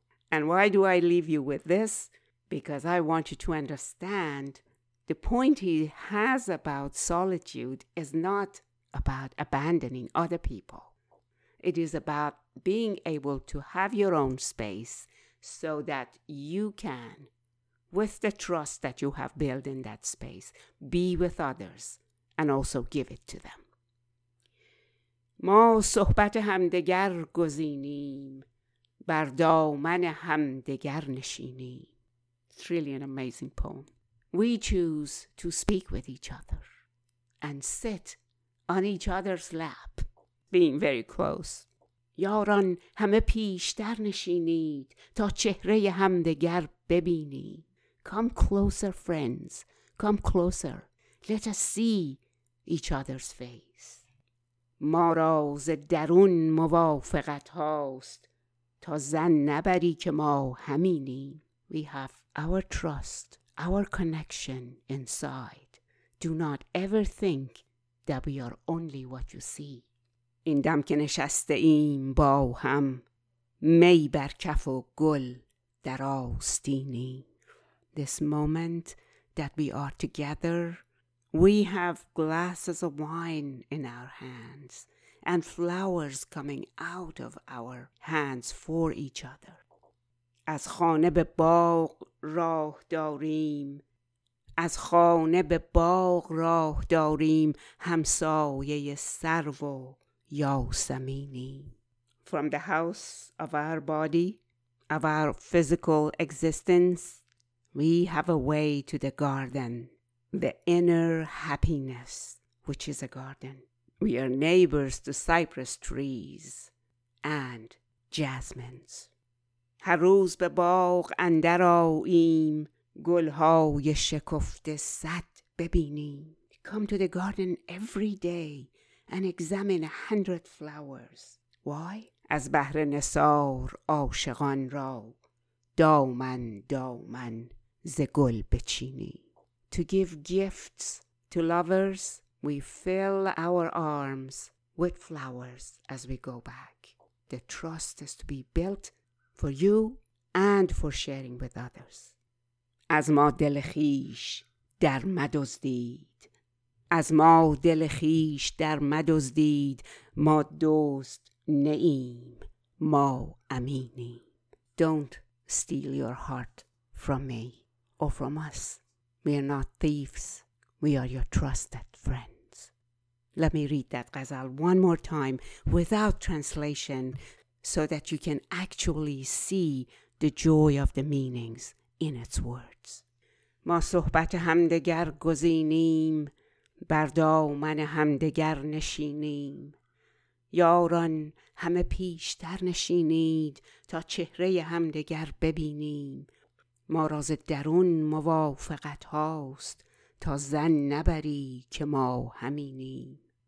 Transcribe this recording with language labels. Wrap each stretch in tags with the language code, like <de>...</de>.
<en>And why do I leave you with this? Because I want you to understand the point he has about solitude is not about abandoning other people. It is about being able to have your own space so that you can, with the trust that you have built in that space, be with others and also give it to them.</en> <fa>ما صحبت همدگر گزینیم بر دامن همدگر نشینیم.</fa> <en>It's really an amazing poem. We choose to speak with each other and sit on each other's lap, being very close.</en> <fa>یاران همه پیشتر نشینید تا چهره همدگر ببینی.</fa> <en>Come closer, friends. Come closer. Let us see each other's face.</en> <fa>ما را ز درون موافقت هاست تا زن نبری که ما همینی.</fa> <en>We have our trust, our connection inside. Do not ever think that we are only what you see.</en> <fa>این دم که نشسته ایم با هم می بر کف و گل در آستینی.</fa> <en>This moment that we are together, we have glasses of wine in our hands and flowers coming out of our hands for each other.</en> <fa>از خانه به باغ راه داریم. از خانه به باغ راه داریم همسایه سرو و یاسمینی.</fa> <en>From the house of our body, of our physical existence, we have a way to the garden, the inner happiness, which is a garden. We are neighbors to cypress trees and jasmines.</en> <fa>هر روز به باغ اندر آییم گلهای شکفته صد ببینیم.</fa> <en>Come to the garden every day and examine 100 flowers. Why?</en> <fa>از بحر نثار عاشقان را دامن دامن ز گل بچینی.</fa> <en>To give gifts to lovers, we fill our arms with flowers as we go back. The trust is to be built for you and for sharing with others.</en> <fa>از ما دل خیش در مدزدید. از ما دل خیش در مدزدید. ما دوست نئیم. ما امینی.</fa> <en>Don't steal your heart from me or from us. We are not thieves. We are your trusted friends. Let me read that ghazal one more time without translation so that you can actually see the joy of the meanings in its words.</en> <fa>ما صحبت همدگر گزینیم بر دامن همدگر نشینیم. یاران همه پیشتر نشینید تا چهره همدگر ببینیم. ما راز درون موافقت هاست تا زن نبری که ما همینیم.</fa>